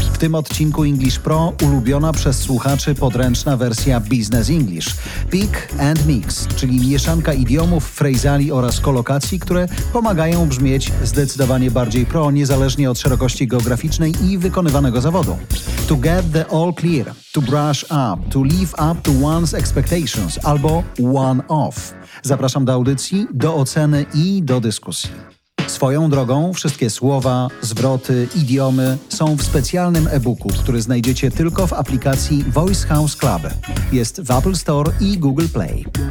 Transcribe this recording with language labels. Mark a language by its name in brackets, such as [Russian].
[Polish] W tym odcinku English Pro ulubiona przez słuchaczy podręczna wersja Business English. Pick and Mix, czyli mieszanka idiomów, frejzali oraz kolokacji, które pomagają brzmieć zdecydowanie bardziej pro, niezależnie od szerokości geograficznej i wykonywanego zawodu. [English] To get the all clear, to brush up, to live up to one's expectations albo one off. [Polish] Zapraszam do audycji, do oceny i do dyskusji. Swoją drogą wszystkie słowa, zwroty, idiomy są w specjalnym e-booku, który znajdziecie tylko w aplikacji Voice House Club. Jest w Apple Store i Google Play.